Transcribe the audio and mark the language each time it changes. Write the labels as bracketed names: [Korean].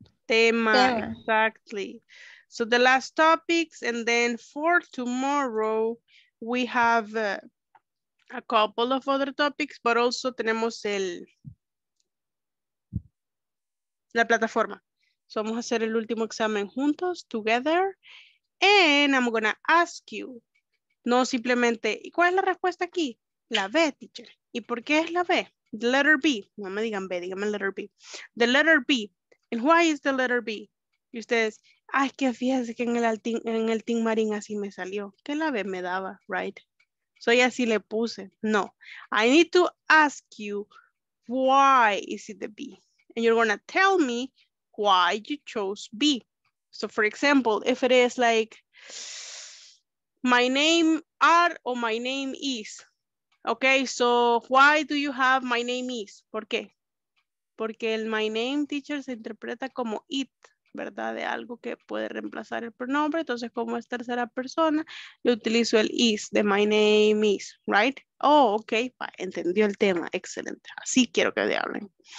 [Spanish] Tema, [English] exactly. So the last topics, and then for tomorrow, we have a couple of other topics, but also [Spanish] tenemos el la plataforma. So vamos a hacer el último examen juntos, [English] together. And I'm gonna ask you, [Spanish] no simplemente, ¿y cuál es la respuesta aquí? La B, teacher. ¿Y por qué es la B? [English] The letter B. [Spanish] No me digan B, díganme letter B. [English] The letter B. And why is the letter B? [Spanish] Y ustedes, ay, que fíjense que en el Team Marine así me salió. Que la B me daba, right? So ya así le puse. No. [English] I need to ask you, why is it the B? And you're gonna tell me why you chose B. So for example, if it is like, my name are or my name is. Okay, so why do you have my name is? [Spanish] ¿Por qué? Porque el my name, teacher, se interpreta como it, ¿verdad? De algo que puede reemplazar el pronombre. Entonces, como es tercera persona, yo utilizo el is, de my name is, right? Oh, okay, entendió el tema, excelente. Así quiero que le hablen.